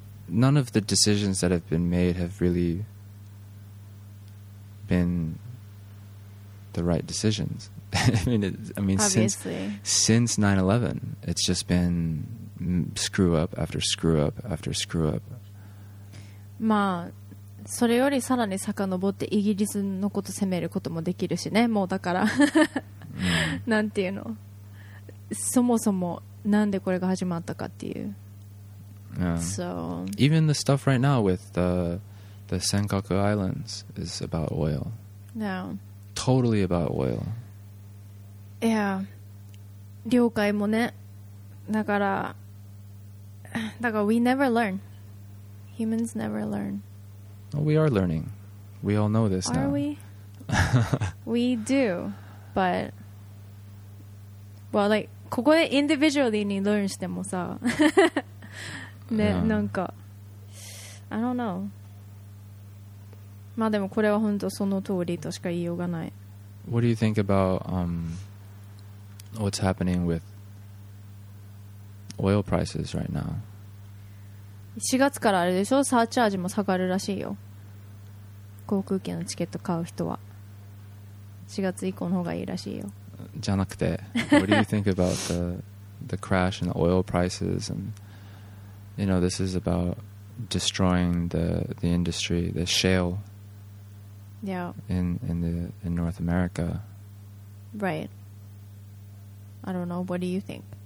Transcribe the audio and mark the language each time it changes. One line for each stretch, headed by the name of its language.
English: None of the decisions that have been made have really been the right decisions. since 9/11, it's just been screw up after screw up after screw up. Ma.
Japanese: それよりさらに遡ってイギリスのこと攻めることもできるしね。もうだからなんていうの、そもそもなんでこれが始まったかっていう。
English: So even the stuff right now with the Senkaku Islands is about oil. No. Totally about oil. Yeah.
Japanese: 了解もね。だから
English: we never learn. Humans never learn. We are learning. We all know this now. Are we? We do. But, well, like,
Japanese: ここで
English: individually
Japanese: に
English: learn
Japanese: してもさ、ね、なんか、
English: I don't know.
Japanese: まあでもこれは本当その通りとしか言いようがない。
English: What do you think about what's happening with oil prices right now?
Japanese: 4月からあれでしょ、サーチャージも下がるらしいよ。航空機のチケット買う人は4月以降の方がいいらしいよ。じゃなくて、
English: What do you think about the crash and the oil prices? And you know, this is about destroying the industry, the shale Yeah. In North America. Right. I don't know. What do you think?